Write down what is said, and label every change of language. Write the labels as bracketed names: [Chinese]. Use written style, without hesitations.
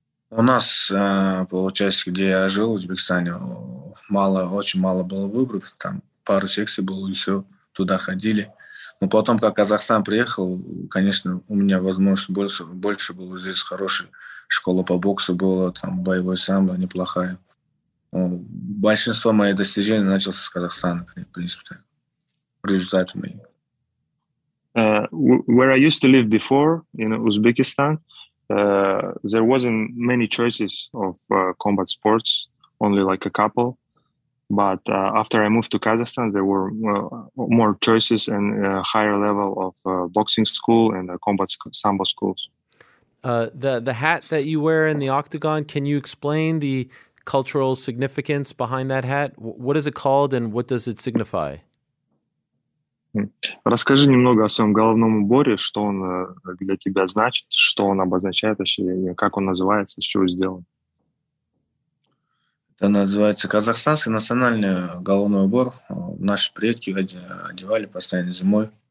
[Russian] У нас, получается, где я жил в Узбекистане, мало, очень мало было выборов, там пару секций было, и все, туда ходили. Но потом, как Казахстан приехал, конечно, у меня возможность больше было здесь хорошей. Школа по боксу была, там, боевой самбо неплохая. Большинство моих достижений начался с Казахстана, в принципе, так. Результат мой. [English] Where I used to live before, in Uzbekistan, there wasn't many choices of combat sports, only like a couple. But after I moved to Kazakhstan, there were more choices and a higher level of boxing school and combat sambo schools. The hat that you wear in the octagon, can you explain the cultural significance behind that hat? What is it called and what does it signify? [Russian] Расскажи немного о своем головном уборе, что он для тебя значит, что он обозначает, как он называется, с чего сделан. Это называется казахстанский национальный головной убор. Наши предки одевали постоянно зимой.